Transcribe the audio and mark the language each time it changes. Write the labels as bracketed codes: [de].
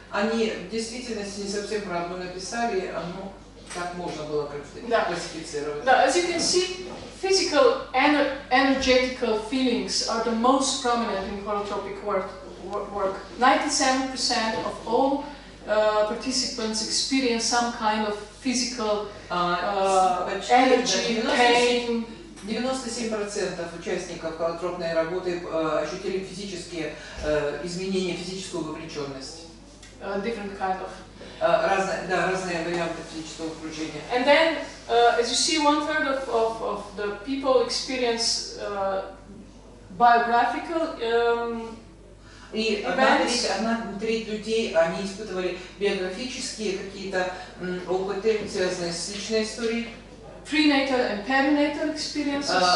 [ru] Они в действительности не совсем правду написали, но как можно было классифицировать. [en] Now, as you can see, physical and energetical feelings are the most prominent in holotropic work. 97% of all participants experience some kind of physical energy, pain. [ru] 97% участников холотропной работы ощутили физические изменения, физическую вовлеченность. [en] Different kind of. [ru] Разные варианты физического включения. [en] And then, as you see, one third of the people experience biographical events. [ru] И одна треть людей, они испытывали биографические какие-то опыты, связанные с личной историей. [en] Prenatal and perinatal experiences.